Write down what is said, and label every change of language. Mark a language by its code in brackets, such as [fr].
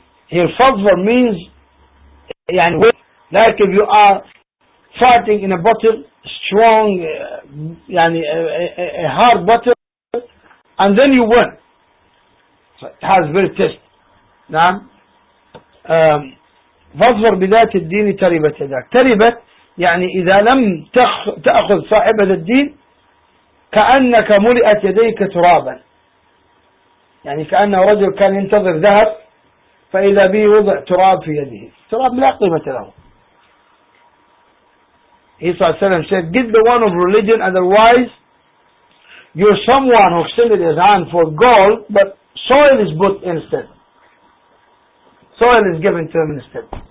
[en] Here فظفر means يعني like if you are fighting in a battle. Strong, يعني a hard battle, and then you win. So it has very test. [ar] نعم. فظفر بذات الدين تربت يداك. تربت يعني إذا لم تأخذ صاحبة الدين كأنك ملئت يديك ترابا. يعني كأن رجل كان ينتظر ذهب فإذا به وضع تراب في يده. تراب لا قيمة له. [en] He [ar] صلى الله عليه وسلم [en] said, get the one of religion, otherwise you're someone who extended his hand for gold, but soil is put instead. Soil is given to him instead.